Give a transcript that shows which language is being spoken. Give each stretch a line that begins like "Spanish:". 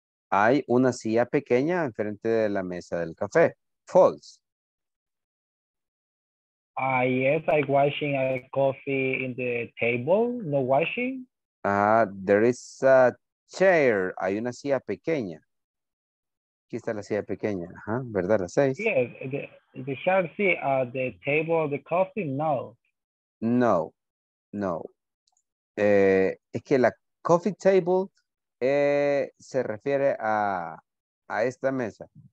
Spanish: Hay una silla pequeña enfrente de la mesa del café.
English: False. Yes, I'm washing a coffee in the table. No washing. There is a chair.
Spanish: Hay una silla pequeña. Aquí está la silla pequeña. Ajá, ¿verdad? La seis.
English: Yes. The chair, see, the table, the coffee, no. No. No.
Spanish: Es que la coffee table se refiere a esta mesa.